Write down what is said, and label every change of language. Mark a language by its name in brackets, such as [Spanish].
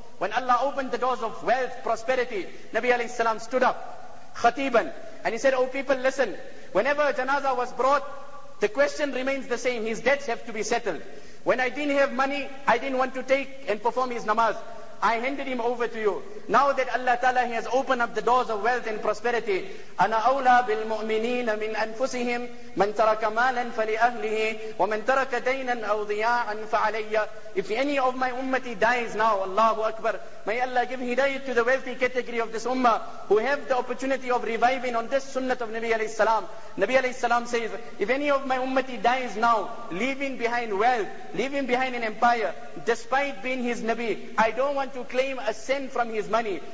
[English] When Allah opened the doors of wealth, prosperity, Nabi alayhi salam stood up, khatiban, and he said, oh people, listen, whenever a janazah was brought, the question remains the same, his debts have to be settled. When I didn't have money, I didn't want to take and perform his namaz. I handed him over to you. Now that Allah Ta'ala has opened up the doors of wealth and prosperity, [Arabic] أَنَا أَوْلَى بِالْمُؤْمِنِينَ مِنْ أَنفُسِهِمْ مَنْ تَرَكَ مَالًا فَلِأَهْلِهِ وَمَنْ تَرَكَ دَيْنًا أَوْ ضِيَاعًا فَعَلَيَّ. [English] If any of my ummati dies now, Allahu Akbar, may Allah give hidayah to the wealthy category of this ummah who have the opportunity of reviving on this sunnah of Nabi alayhi salam. Nabi alayhi salam says, if any of my ummati dies now, leaving behind wealth, leaving behind an empire, despite being his Nabi, I don't want to claim a cent from his money.